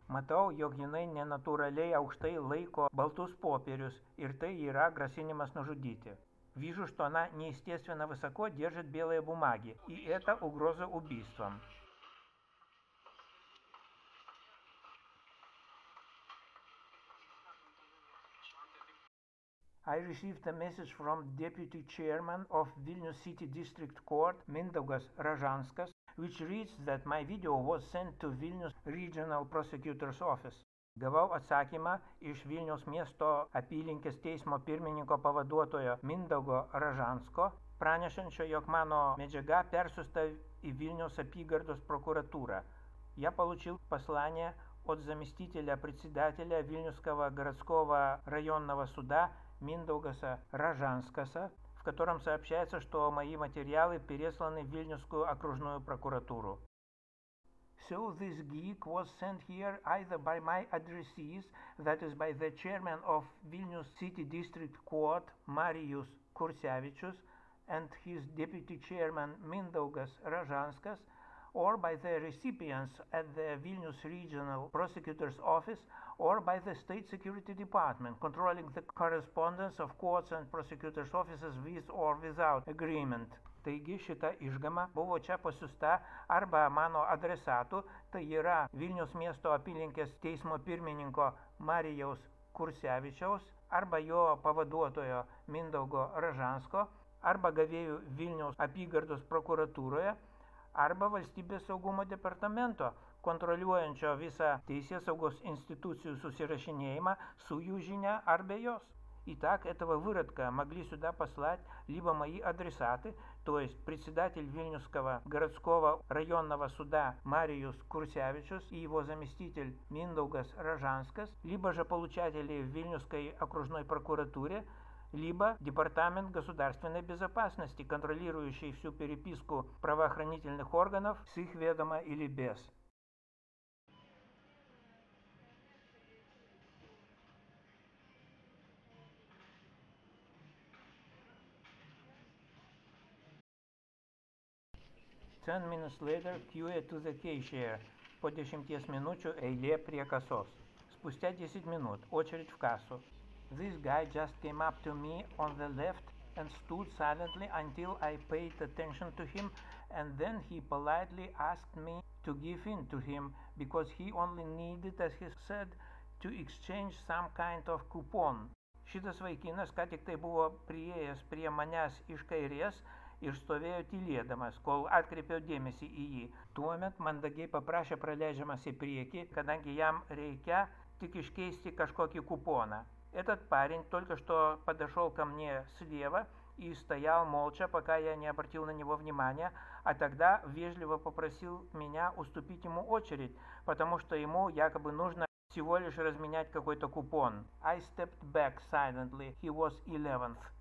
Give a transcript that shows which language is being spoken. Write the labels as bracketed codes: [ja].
[lt] Matau, jog jinai nenatūraliai aukštai laiko baltus popierius, ir tai yra grasinimas nužudyti. [ru] Вижу, что она неестественно высоко держит белые бумаги, и это угроза убийством. [en] I received a message from Deputy Chairman of Vilnius City District Court, Mindaugas Ražanskas, which reads that my video was sent to Vilnius Regional Prosecutor's Office. [lt] Gavau atsakymą iš Vilniaus miesto apylinkės teismo pirmininko pavaduotojo Mindaugo Ražansko, pranešančio, jog mano medžiaga persiųsta į Vilniaus apygardos prokuratūrą. [ru] Я получил послание от заместителя председателя Вильнюсского городского районного суда Mindaugasa Ražanskasa, в котором сообщается, что мои материалы пересланы в Вильнюсскую окружную прокуратуру. [en] So this geek was sent here either by my addressees, that is by the chairman of Vilnius City District Court, Marius Kursevičius, and his deputy chairman, Mindaugas Ražanskas, or by the recipients at the Vilnius Regional Prosecutor's Office, or by the State Security Department, controlling the correspondence of courts and prosecutor's offices with or without agreement. [lt] Taigi šita išgama buvo čia pasiusta arba mano adresatų, tai yra Vilniaus miesto apylinkės teismo pirmininko Marijaus Kursevičiaus, arba jo pavaduotojo Mindaugo Ražansko, arba gavėjų Vilniaus apygardos prokuratūroje, arba Valstybės saugumo departamento, kontroliuojančio visą teisės saugos institucijų susirašinėjimą su jų žinia arba jos. [ru] Итак, этого выродка могли сюда послать либо мои адресаты, то есть председатель Вильнюсского городского районного суда Мариус Курсявичус и его заместитель Миндаугас Ражанскас, либо же получатели в Вильнюсской окружной прокуратуре, либо департамент государственной безопасности, контролирующий всю переписку правоохранительных органов с их ведома или без. [en] 10 minutes later, queue to the cashier. [lt] По 10 минуту эйле при кассос. [ru] Спустя 10 минут, очередь в кассу. [en] This guy just came up to me on the left and stood silently until I paid attention to him, and then he politely asked me to give in to him, because he only needed, as he said, to exchange some kind of coupon. [lt] Šitas vaikinas ką tik tai buvo priėjęs prie manęs iš kairės ir stovėjo tylėdamas, kol atkreipiau dėmesį į jį. Tuomet mandagiai paprašė praleidžiamas į priekį, kadangi jam reikia tik iškeisti kažkokį kuponą. [ru] Этот парень только что подошел ко мне слева и стоял молча, пока я не обратил на него внимания, а тогда вежливо попросил меня уступить ему очередь, потому что ему якобы нужно всего лишь разменять какой-то купон. [en] I stepped back silently. He was 11th.